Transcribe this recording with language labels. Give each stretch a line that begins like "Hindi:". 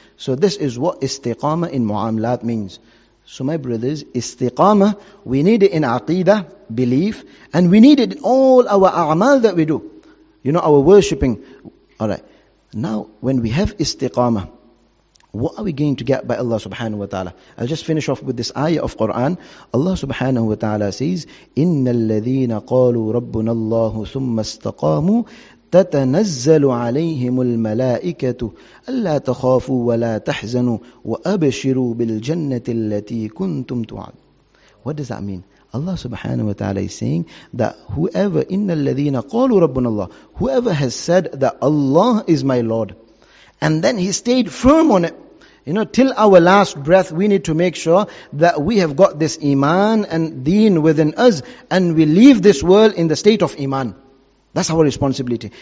English: So this is what istiqama in mu'amalat means. So my brothers, istiqama, we need it in aqidah, belief, and we need it in all our a'mal that we do. You know, our worshipping. All right. Now, when we have istiqama, what are we going to get by Allah subhanahu wa ta'ala? I'll just finish off with this ayah of Quran. Allah subhanahu wa ta'ala says,
Arabic: إِنَّ الَّذِينَ قَالُوا رَبُّنَا اللَّهُ ثُمَّ اسْتَقَامُوا تَتَنَزَّلُ عَلَيْهِمُ الْمَلَائِكَةُ أَلَّا تَخَافُوا وَلَا تَحْزَنُوا وَأَبَشِرُوا بِالْجَنَّةِ الَّتِي كُنْتُمْ تُوعَدُونَ.
English: What does that mean? Allah subhanahu wa ta'ala is saying that whoever,
Arabic: إِنَّ الَّذِينَ قَالُوا رَبُّنَ اللَّهُ,
English: whoever has said that Allah is my Lord, and then he stayed firm on it. You know, till our last breath, we need to make sure that we have got this iman and deen within us, and we leave this world in the state of iman. That's our responsibility.